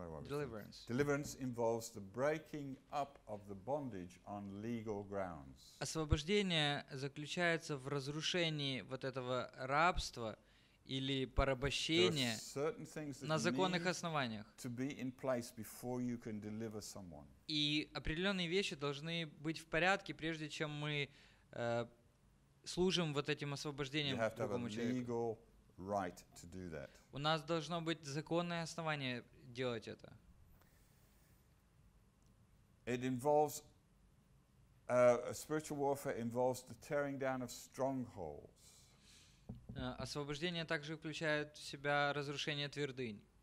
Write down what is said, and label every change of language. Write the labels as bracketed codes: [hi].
[en] Deliverance involves the breaking up of the bondage on legal grounds. [ru] Освобождение заключается в разрушении вот этого рабства или порабощения на законных основаниях. [en] To be in place before you can deliver someone. [ru] И определенные вещи должны быть в порядке, прежде чем мы служим вот этим освобождением другому человеку. [en] Right to do that. [ru] У нас должно быть законное основание делать это. [en] It involves spiritual warfare involves the tearing down of strongholds. [ru] Освобождение также включает в себя разрушение твердынь.